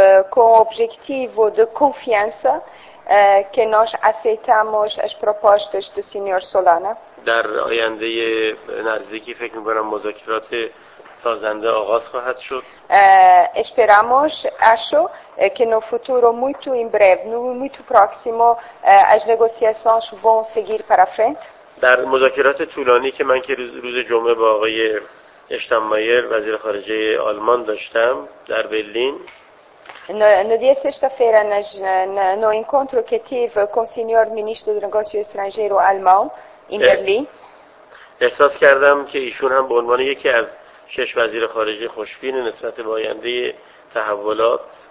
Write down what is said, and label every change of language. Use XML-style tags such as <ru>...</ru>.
<pt>Com o objetivo de confiança que nós aceitamos as propostas do senhor Solana.</pt> <fa>در آینده نزدیکی فکر می‌کنم مذاکرات سازنده آغاز خواهد شد.</fa> <pt>Esperamos que no futuro muito em breve, no muito próximo, as negociações vão seguir para frente.</pt> <fa>در مذاکرات طولانی که من که روز جمعه با آقای اشتاینمایر وزیر خارجه آلمان داشتم در برلین،</fa> <pt>No dia sexta-feira, no encontro que tive com o senhor ministro do negócio estrangeiro alemão, em Berlim,</pt> <fa>احساس کردم که ایشون هم به عنوان یکی از شش وزیر خارجه خوشبین نسبت به آینده تحولات</fa>